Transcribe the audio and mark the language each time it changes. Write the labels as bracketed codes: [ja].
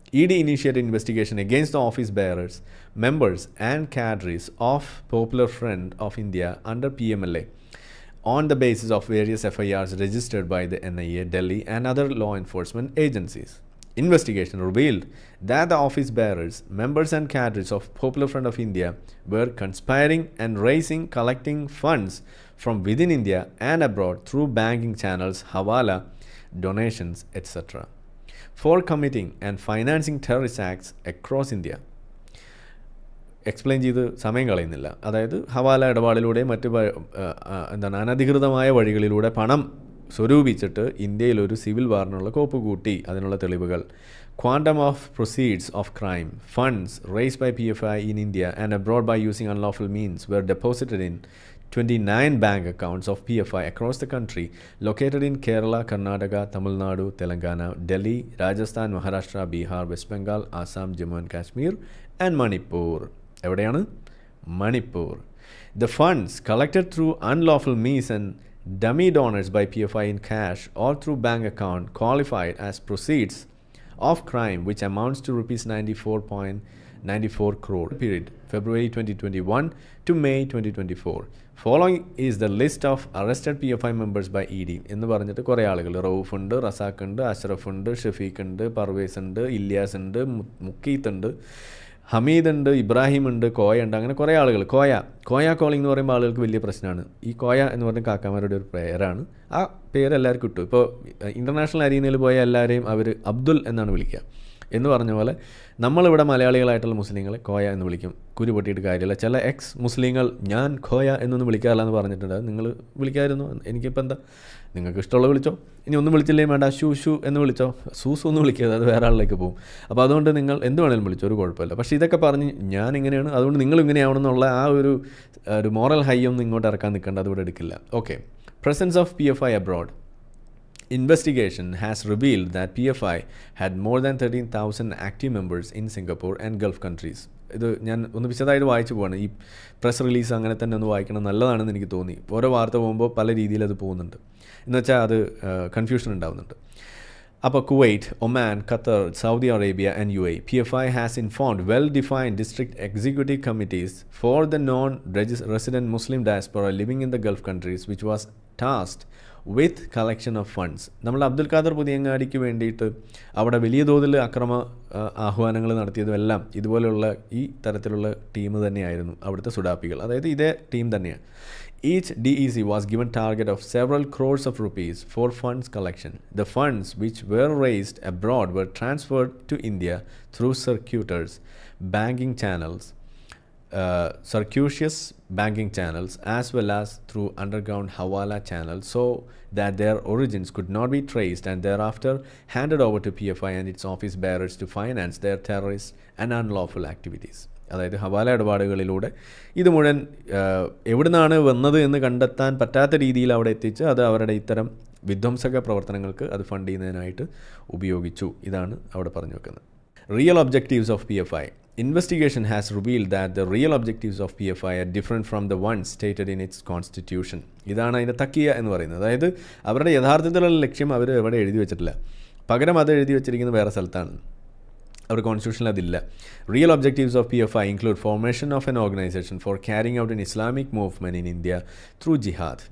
[en] ED initiated investigation against the office bearers, members and cadres of Popular Front of India under PMLA on the basis of various FIRs registered by the NIA, Delhi and other law enforcement agencies. Investigation revealed that the office bearers, members and cadres of Popular Front of India were conspiring and raising, collecting funds from within India and abroad through banking channels, hawala, donations, etc. For committing and financing terrorist acts across India. [ml] Explain ചെയ്ത് സമയം കളയുന്നില്ല. അതായത് ഹവാല ഇടപാടിലൂടെ മറ്റ് എന്താണ് അനധികൃതമായ വഴികളിലൂടെ പണം സ്വരൂപിച്ചിട്ട് ഇന്ത്യയിലൊരു civil വാറിനുള്ള കോപ്പ് കൂട്ടി, അതിനുള്ള തെളിവുകൾ. [en] Quantum of proceeds of crime, funds raise by PFI in India and abroad by using unlawful means were deposited in 29 bank accounts of PFI across the country located in Kerala, Karnataka, Tamil Nadu, Telangana, Delhi, Rajasthan, Maharashtra, Bihar, west Bengal, Assam, Jammu and Kashmir and Manipur. [ml] എവിടെയാണ്? [en] Manipur. The funds collected through unlawful means and dummy donors by P F I in cash or through bank account qualified as proceeds of crime which amounts to rupees 94.94 crore period February 2021 to May 2024. Following is the list of arrested PFI members by ED. [ml] എന്ന് പറഞ്ഞിട്ട് കുറേ ആളുകൾ, റൗഫ് ഉണ്ട്, റസാഖ് ഉണ്ട്, അഷ്റഫ് ഉണ്ട്, ഷഫീഖ് ഉണ്ട്, പർവേസ് ഉണ്ട്, ഇലിയാസ് ഉണ്ട്, മുക്കീത്ത് ഉണ്ട്, ഹമീദ് ഉണ്ട്, ഇബ്രാഹിം ഉണ്ട്, കോയ ഉണ്ട്, അങ്ങനെ കുറേ ആളുകൾ. കോയ കോയ കോളിംഗ് എന്ന് പറയുമ്പോൾ ആളുകൾക്ക് വലിയ പ്രശ്നമാണ്. ഈ കോയ എന്ന് പറഞ്ഞ കാക്കാമാരുടെ ഒരു പേരാണ്. ആ പേരെല്ലാവർക്കും കിട്ടും. ഇപ്പോൾ ഇൻ്റർനാഷണൽ അരീനയിൽ പോയ എല്ലാവരെയും അവർ അബ്ദുൽ എന്നാണ് വിളിക്കുക. എന്ന് പറഞ്ഞ പോലെ നമ്മളിവിടെ മലയാളികളായിട്ടുള്ള മുസ്ലിങ്ങളെ കോയ എന്ന് വിളിക്കും. കുരു പൊട്ടിയിട്ട് കാര്യമില്ല. ചില എക്സ് മുസ്ലിങ്ങൾ ഞാൻ കോയ എന്നൊന്നും വിളിക്കാറില്ല എന്ന് പറഞ്ഞിട്ടുണ്ട്. നിങ്ങൾ വിളിക്കാമായിരുന്നു, എനിക്കിപ്പോൾ എന്താ, നിങ്ങൾക്ക് ഇഷ്ടമുള്ള വിളിച്ചോ, ഇനി ഒന്നും വിളിച്ചില്ലേ വേണ്ട, ഷു ഷു എന്ന് വിളിച്ചോ, സൂസു ഒന്നും വിളിക്കരുത്, അത് വേറെ ആളിലേക്ക് പോകും. അപ്പോൾ അതുകൊണ്ട് നിങ്ങൾ എന്ത് വേണമെങ്കിലും വിളിച്ചോ, ഒരു കുഴപ്പമില്ല. പക്ഷേ ഇതൊക്കെ പറഞ്ഞ് ഞാൻ ഇങ്ങനെയാണ് അതുകൊണ്ട് നിങ്ങൾ ഇങ്ങനെയാവണമെന്നുള്ള ആ ഒരു മോറൽ ഹൈ ഒന്നും ഇങ്ങോട്ട് ഇറക്കാൻ നിൽക്കേണ്ട, അതുകൂടെ എടുക്കില്ല. [en] Okay. Presence of P F I abroad. Investigation has revealed that PFI had more than 13,000 active members in Singapore and Gulf countries. [ml] ഇത് ഞാൻ ഒന്ന് വിശദമായിട്ട് വായിച്ചു പോവാണ്. ഈ പ്രസ് റിലീസ് അങ്ങനെ തന്നെ ഒന്ന് വായിക്കണം, നല്ലതാണെന്ന് എനിക്ക് തോന്നി. ഓരോ വാർത്ത പോകുമ്പോൾ പല രീതിയിൽ അത് പോകുന്നുണ്ട്, എന്നുവെച്ചാൽ അത് കൺഫ്യൂഷൻ ഉണ്ടാവുന്നുണ്ട്. [en] അപ്പോൾ Kuwait, Oman, Qatar, Saudi Arabia and U A P F I has informed well defined district executive committees for the non resident Muslim diaspora living in the Gulf countries which was tasked with collection of funds. [ml] നമ്മുടെ അബ്ദുൽ ഖാദർ പുതിയങ്ങാടിക്ക് വേണ്ടിയിട്ട് അവിടെ വലിയ തോതിൽ അക്രമ ആഹ്വാനങ്ങൾ നടത്തിയതുമെല്ലാം ഇതുപോലെയുള്ള ഈ തരത്തിലുള്ള team തന്നെയായിരുന്നു അവിടുത്തെ സുഡാപ്പികൾ. അതായത് ഇതേ ടീം തന്നെയാണ്. [en] Each D E C was given target of several crores of rupees for funds collection. The funds which were raised abroad were transferred to India through circuitous banking channels circuitous banking channels as well as through underground hawala channels so that their origins could not be traced and thereafter handed over to PFI and its office bearers to finance their terrorist and unlawful activities. [ml] അതായത് ഹവാല ഇടപാടുകളിലൂടെ ഇത് മുഴുവൻ എവിടുന്നാണ് വന്നത് എന്ന് കണ്ടെത്താൻ പറ്റാത്ത രീതിയിൽ അവിടെ എത്തിച്ച് അത് അവരുടെ ഇത്തരം വിധ്വംസക പ്രവർത്തനങ്ങൾക്ക് അത് ഫണ്ട് ചെയ്യുന്നതിനായിട്ട് ഉപയോഗിച്ചു. ഇതാണ് അവിടെ പറഞ്ഞു വെക്കുന്നത്. [en] Real objectives of PFI. Investigation has revealed that the real objectives of PFI are different from the ones stated in its constitution. [ml] ഇതാണ് അതിൻ്റെ തക്കിയ എന്ന് പറയുന്നത്. അതായത് അവരുടെ യഥാർത്ഥത്തിലുള്ള ലക്ഷ്യം അവർ എവിടെ എഴുതി വെച്ചിട്ടില്ല, പകരം അത് എഴുതി വെച്ചിരിക്കുന്നത് വേറെ സ്ഥലത്താണ്. അവർ കോൺസ്റ്റിറ്റ്യൂഷൻ അതില്ല. [en] Real objectives of PFI include formation of an organisation for carrying out an Islamic movement in India through jihad.